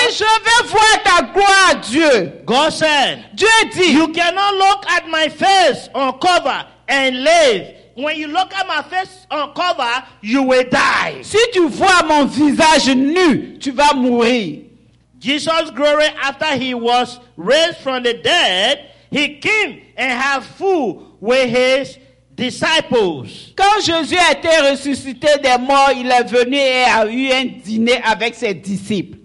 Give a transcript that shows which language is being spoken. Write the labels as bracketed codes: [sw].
[fr] Il dit, je veux voir ta gloire, Dieu. [en] God said. [fr] Dieu dit. [en] You cannot look at my face on cover and live. When you look at my face on cover, you will die. [fr] Si tu vois mon visage nu, tu vas mourir. [en] Jesus' glory, after he was raised from the dead, he came and had food with his disciples. [fr] Quand Jésus a été ressuscité des morts, il est venu et a eu un dîner avec ses disciples.